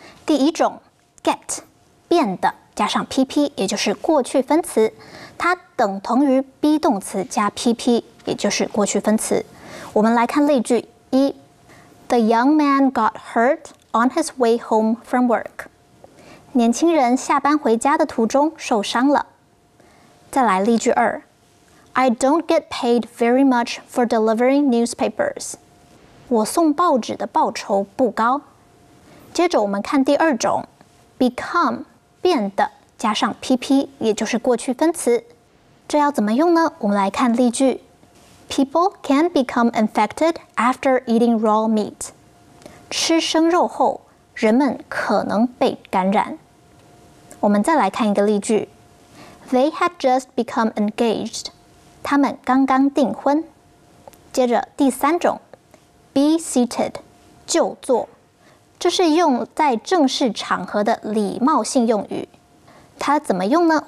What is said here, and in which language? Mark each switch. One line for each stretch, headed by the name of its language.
Chinese: 第一种 get 变的加上 PP， 也就是过去分词，它等同于 be 动词加 PP， 也就是过去分词。我们来看例句一，
English: The young man got hurt on his way home from work。
Chinese: 年轻人下班回家的途中受伤了。再来例句二，
English: I don't get paid very much for delivering newspapers。
Chinese: 我送报纸的报酬不高。接着我们看第二种， become 变的加上 PP， 也就是过去分词，这要怎么用呢？我们来看例句，
English: People can become infected after eating raw meat。
Chinese: 吃生肉后人们可能被感染。我们再来看一个例句，
English: They had just become engaged，
Chinese: 他们刚刚订婚。接着第三种 be seated 就坐，这是用在正式场合的礼貌性用语，它怎么用呢？